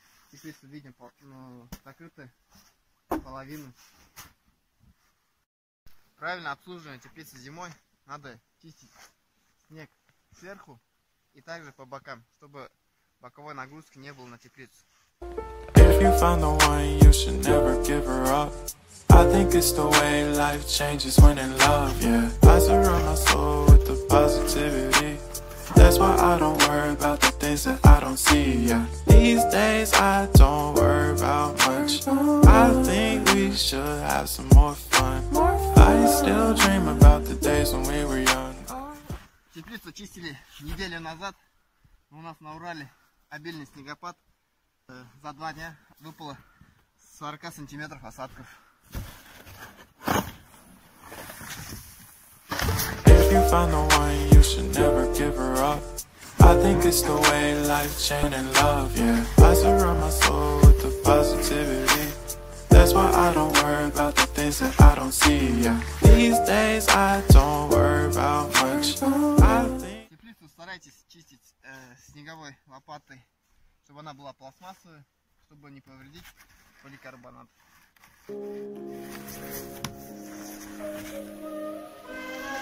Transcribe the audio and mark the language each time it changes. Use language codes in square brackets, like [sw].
[ru] Теплицу видим, но закрыта половину. Правильно обслуживание теплицы зимой, надо чистить снег сверху и также по бокам, чтобы боковой нагрузки не было на теплицу. [en] If you found the one, you should never give her up. I think it's the way life changes when in love, yeah. I surround my soul with the positivity. That's why I don't worry about the things that I don't see, yeah. These days I don't worry about much. I think we should have some more fun. I still dream about the days when we were young. [ru] Теплицу чистили неделю назад. У нас на Урале обильный снегопад. За два дня выпало 40 сантиметров осадков. [en] If you find the one, you should never give her up. I think it's the way life changed in love, yeah. I surround my soul with the positivity. That's why I don't worry about the things that I don't see, yeah. These days I don't worry about much. [ru] Теплицу старайтесь чистить снеговой лопатой, чтобы она была пластмассовая, чтобы не повредить поликарбонат.